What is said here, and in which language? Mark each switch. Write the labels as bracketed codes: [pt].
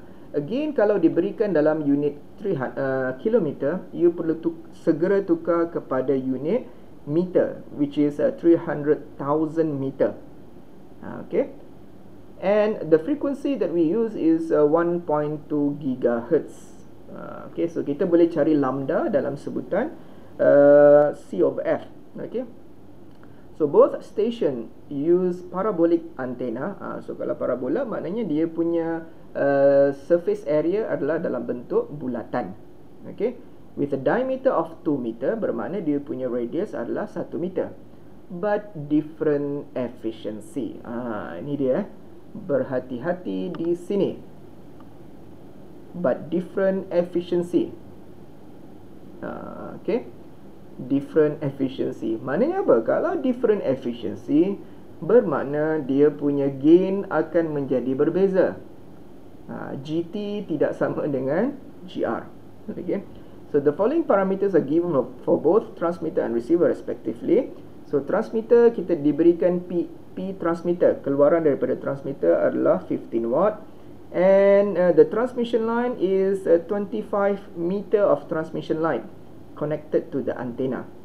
[ms] Again, kalau diberikan dalam unit 300 kilometer, you perlu segera tukar kepada unit meter, [en] which is 300,000 meter. [ms] Okay. [en] And the frequency that we use is 1.2 gigahertz. [ms] Okay, so kita boleh cari lambda dalam sebutan C of F. [en] Okay. So both station use parabolic antenna. [ms] So kalau parabola, maknanya dia punya surface area adalah dalam bentuk bulatan. Okay. [en] With a diameter of 2 meter, [ms] bermakna dia punya radius adalah 1 meter. [en] But different efficiency. [ms] Ini dia. Berhati-hati di sini. [en] But different efficiency. [ms] Okay. Different efficiency. Maknanya apa? Kalau different efficiency, bermakna dia punya gain akan menjadi berbeza. GT tidak sama dengan GR. Okay. [en] So the following parameters are given for both transmitter and receiver respectively. [ms] So transmitter, kita diberikan P transmitter. Keluaran daripada transmitter adalah 15 watt. [en] And the transmission line is 25 meter of transmission line connected to the antenna.